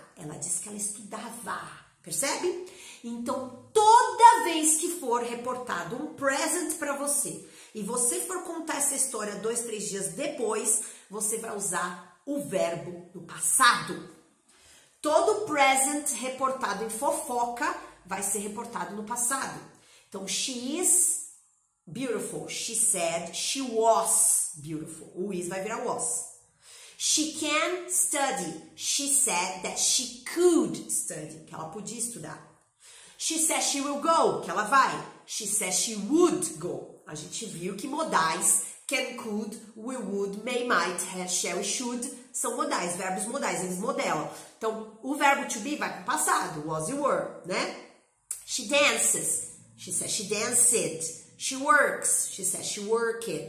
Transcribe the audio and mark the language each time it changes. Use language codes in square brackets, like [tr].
[pt] Ela disse que ela estudava. Percebe? Então, toda vez que for reportado um present pra você e você for contar essa história 2, 3 dias depois, você vai usar o verbo do passado. Todo present reportado em fofoca vai ser reportado no passado. [en] Então, she is beautiful. She said she was beautiful. [pt] O is vai virar was. [en] She can study. She said that she could study. Que ela podia estudar. [pt] She said she will go. [en] Que ela vai. She said she would go. [pt] A gente viu que modais, can, could, will, would, may, might, has, shall, should, são modais, verbos modais, eles modelam. Então, o verbo to be vai para o passado, was, you were, né? [en] She dances. She said she danced. She works. She said she worked.